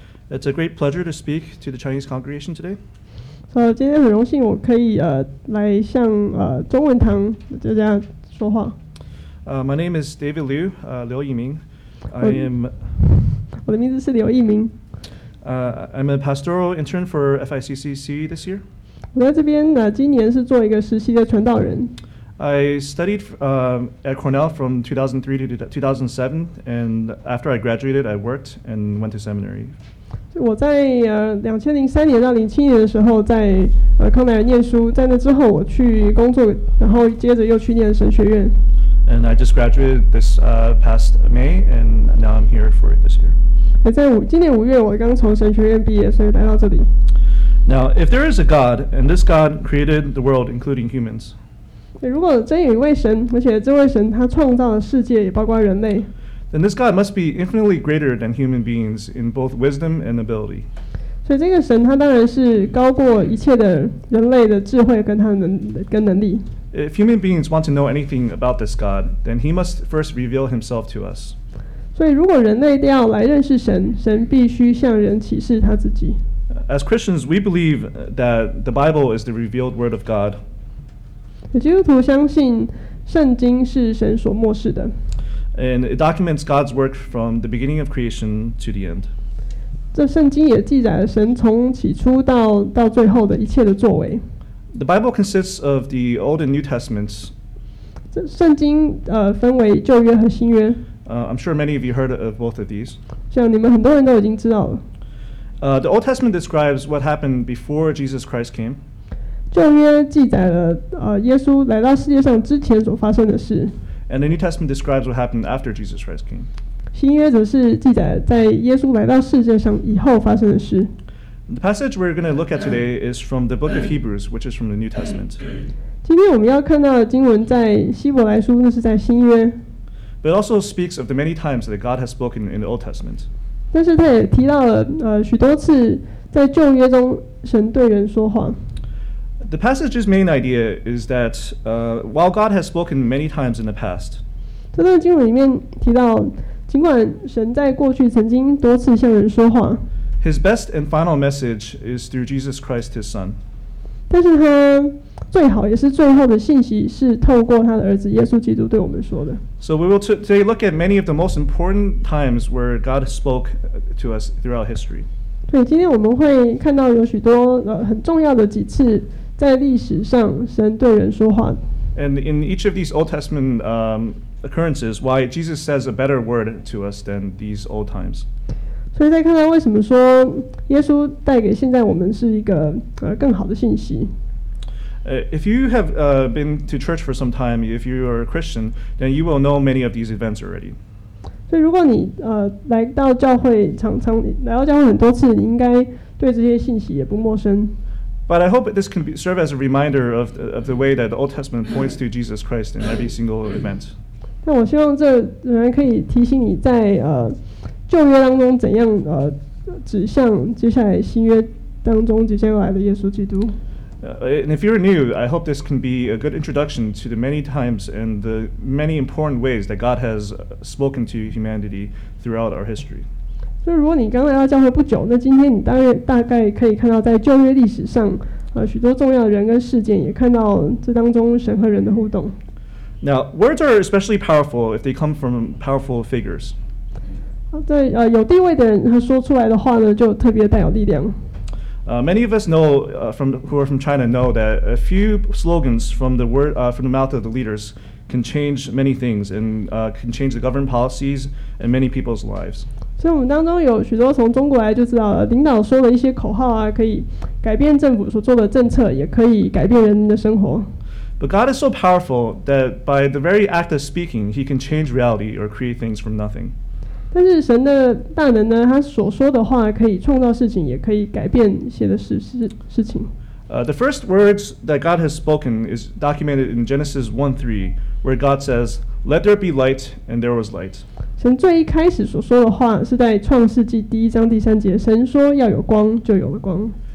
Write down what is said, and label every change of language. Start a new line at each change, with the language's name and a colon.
English: It's a great pleasure to speak to the Chinese congregation today.
Chinese: So, 今天很荣幸我可以来向中文堂大家说话。
English: My name is David Liu, 刘一明。
Chinese: 我的名字是刘一明。
English: I'm a pastoral intern for FICCC this year.
Chinese: 我在这边今年是做一个实习的传道人。
English: I studied at Cornell from 2003 to 2007, and after I graduated, I worked and went to seminary.
Chinese: 我在2003年到2007年的时候在康奈尔念书，在那之后我去工作，然后接着又去念神学院。
English: And I just graduated this past May, and now I'm here for this year.
Chinese: 今年5月我刚从神学院毕业，所以来到这里。
English: Now, if there is a God, and this God created the world, including humans,
Chinese: 如果真有一位神，而且这位神他创造了世界，也包括人类。
English: Then this God must be infinitely greater than human beings in both wisdom and ability.
Chinese: 所以这个神他当然是高过一切的人类的智慧跟他跟能力。
English: If human beings want to know anything about this God, then he must first reveal himself to us.
Chinese: 所以如果人类要来认识神，神必须向人启示他自己。
English: As Christians, we believe that the Bible is the revealed word of God.
Chinese: 基督徒相信圣经是神所默示的。
English: And it documents God's work from the beginning of creation to the end.
Chinese: 这圣经也记载了神从起初 到最后的一切的作为。
English: The Bible consists of the Old and New Testaments.
Chinese: 这圣经分为旧约和新约。
English: I'm sure many of you heard of both of these.
Chinese: 像你们很多人都已经知道了。
English: The Old Testament describes what happened before Jesus Christ came.
Chinese: 旧约记载了耶稣来到世界上之前所发生的事。
English: And the New Testament describes what happened after Jesus Christ came.
Chinese: 新约则是记载在耶稣来到世界上以后发生的事。
English: The passage we're going to look at today is from the book of Hebrews, which is from the New Testament.
Chinese: 今天我们要看到的经文在希伯来书，那是在新约。
English: But it also speaks of the many times that God has spoken in the Old Testament.
Chinese: 但是他也提到了许多次在旧约中神对人说话。
English: The passage's main idea is that while God has spoken many times in the past,
Chinese: 这段经文里面提到，尽管神在过去曾经多次向人说话，
English: His best and final message is through Jesus Christ, His Son.
Chinese: 但是他最好也是最后的信息是透过他的儿子耶稣基督对我们说的。
English: So we will today look at many of the most important times where God spoke to us throughout history.
Chinese: 对，今天我们会看到有许多很重要的几次。在历史上，神对人说话。
English: And in each of these Old Testament occurrences, why Jesus says a better word to us than these old times.
Chinese: 所以再看看为什么说耶稣带给现在我们是一个更好的信息。
English: If you have been to church for some time, if you are a Christian, then you will know many of these events already.
Chinese: 所以如果你来到教会常常来到教会很多次，你应该对这些信息也不陌生。
English: But I hope this can serve as a reminder of the way that the Old Testament points to Jesus Christ in every single event.
Chinese: 但我希望这仍然可以提醒你在旧约当中怎样指向接下来新约当中接下来的耶稣基督。
English: And if you're new, I hope this can be a good introduction to the many times and the many important ways that God has spoken to humanity throughout our history.
Chinese: 所以如果你刚来到教会不久，那今天你大概可以看到在旧约历史上许多重要的人跟事件，也看到这当中神和人的互动。
English: Now, words are especially powerful if they come from powerful figures.
Chinese: 对有地位的人他说出来的话呢，就特别带有力量。
English: Many of us know, who are from China, know that a few slogans from the word, from the mouth of the leaders can change many things and can change the government policies and many people's lives.
Chinese: 所以我们当中有许多从中国来就知道，领导说了一些口号啊，可以改变政府所做的政策，也可以改变人民的生活。
English: But God is so powerful that by the very act of speaking, He can change reality or create things from nothing.
Chinese: 但是神的大能呢，他所说的话可以创造事情，也可以改变一些的事情。
English: The first words that God has spoken is documented in Genesis 1:3, where God says, "Let there be light," and there was light.
Chinese: 神最一开始所说的话是在创世纪第一章第三节，神说要有光，就有了光。